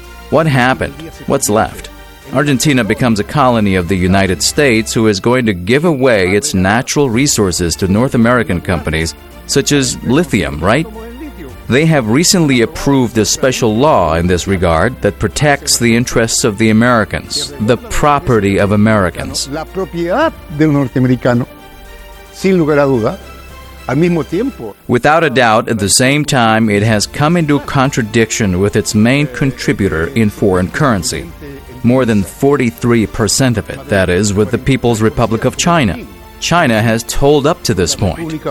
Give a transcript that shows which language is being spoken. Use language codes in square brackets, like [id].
[en] What happened? What's left? Argentina becomes a colony of the United States, who is going to give away its natural resources to North American companies, such as lithium, right? They have recently approved a special law in this regard that protects the interests of the Americans, the property of Americans. [es] La propiedad del norteamericano, sin lugar a duda. [en] Without a doubt, at the same time, it has come into contradiction with its main contributor in foreign currency, more than 43% of it, that is, with the People's Republic of China. China has told up to this point.